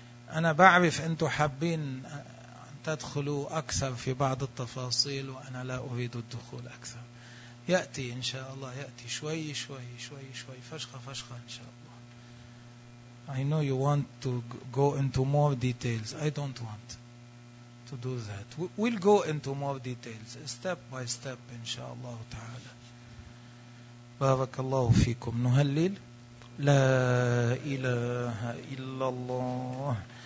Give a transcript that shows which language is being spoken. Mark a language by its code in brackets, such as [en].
[ar] أنا بعرف أنتم حابين تدخلوا أكثر في بعض التفاصيل، وأنا لا أريد الدخول أكثر. يأتي إن شاء الله، يأتي شوي شوي شوي شوي، فشخة إن شاء الله. [en] I know you want to go into more details. I don't want to do that. We'll go into more details step by step [ar] إن شاء الله تعالى. بارك الله فيكم. نهلل. لا إله إلا الله.